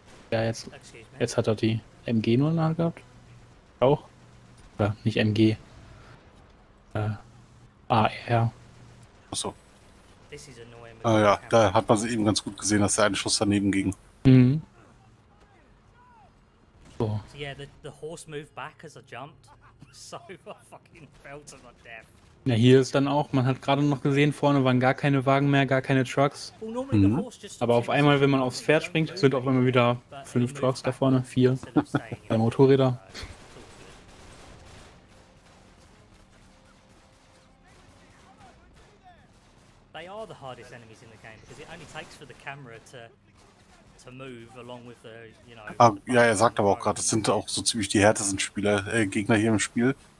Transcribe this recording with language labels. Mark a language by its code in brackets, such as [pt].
[de] Ja, jetzt hat er die MG nur in der Hand gehabt. Auch. Oder nicht MG. AR. Ach so. Ah ja, da hat man sie eben ganz gut gesehen, dass der eine Schuss daneben ging. Mhm. So. [en] Ja, the horse moved back as I jumped. So I fucking fell to my death. [de] Ja, hier ist dann auch, man hat gerade noch gesehen, vorne waren gar keine Wagen mehr, gar keine Trucks. Mhm. Aber auf einmal, wenn man aufs Pferd springt, sind auf einmal wieder 5 Trucks da vorne, 4. Bei Motorräder. [en] They are the hardest enemies in the game, because it only takes for the camera to move along with the, you know. [de] Ja, er sagt aber auch gerade, das sind auch so ziemlich die härtesten Spieler, Gegner hier im Spiel.